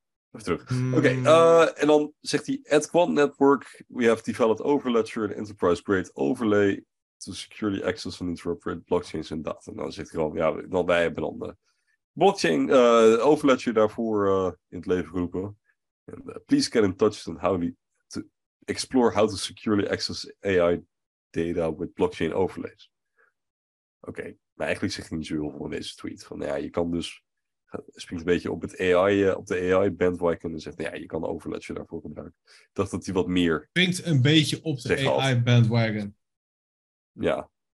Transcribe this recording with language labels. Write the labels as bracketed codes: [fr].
[nl] Even terug. Oké. En dan zegt hij: [en] at Quant Network, we have developed Overledger, an enterprise-grade overlay to securely access and interpret blockchains and data. [nl] Nou, dan zegt hij gewoon: ja, dan wij hebben dan de blockchain, Overledger daarvoor in het leven geroepen. [en] And, please get in touch on how to explore how to securely access AI data with blockchain overlays. [nl] Oké, maar eigenlijk zegt hij niet zo heel veel in deze tweet. Van ja, je kan dus, springt een beetje op het AI, op de AI bandwagon en zegt, ja, je kan Overledger daarvoor gebruiken. Ik dacht dat hij wat meer springt een beetje op de AI bandwagon. Ja.